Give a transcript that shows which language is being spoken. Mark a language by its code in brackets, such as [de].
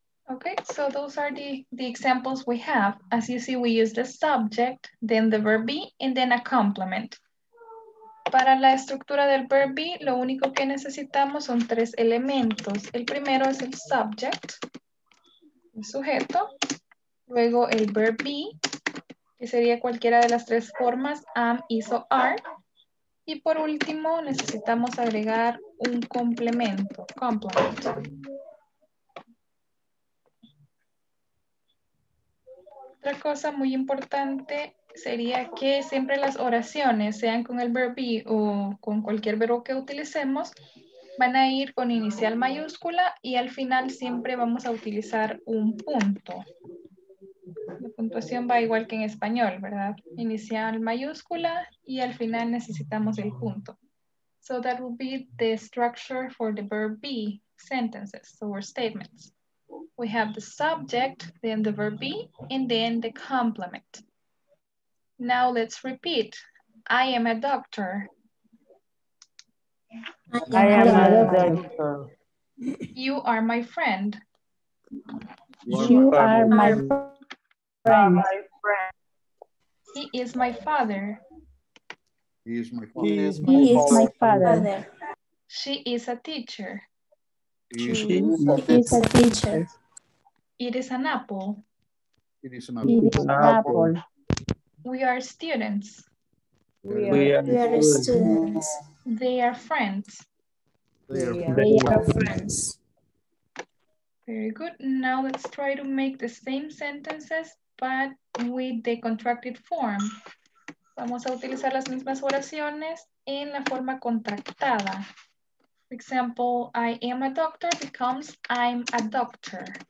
[en] Okay, so those are the examples we have. As you see, we use the subject, then the verb be, and then a complement. [es] Para la estructura del verb be, lo único que necesitamos son tres elementos. El primero es el subject. el sujeto. Luego el verb be, que sería cualquiera de las tres formas, am, is, o are. Y por último, necesitamos agregar un complemento, complement. Otra cosa muy importante sería que siempre las oraciones, sean con el verb be o con cualquier verbo que utilicemos, van a ir con inicial mayúscula y al final siempre vamos a utilizar un punto. La puntuación va igual que en español, ¿verdad? Inicial mayúscula y al final necesitamos el punto. [en] So that will be the structure for the verb be sentences or statements. We have the subject, then the verb be, and then the complement. Now let's repeat. I am a doctor. I am a doctor. You are my friend. You are my friend. He is my father. He is my father. He is my father. She is a teacher. She is a teacher. It is an apple. It is an apple. It is an apple. We are students. We are students. They are friends. They are friends. Very good. Now let's try to make the same sentences, but with the contracted form. [es] Vamos a utilizar las mismas oraciones en la forma contractada. [en] For example, I am a doctor becomes I'm a doctor.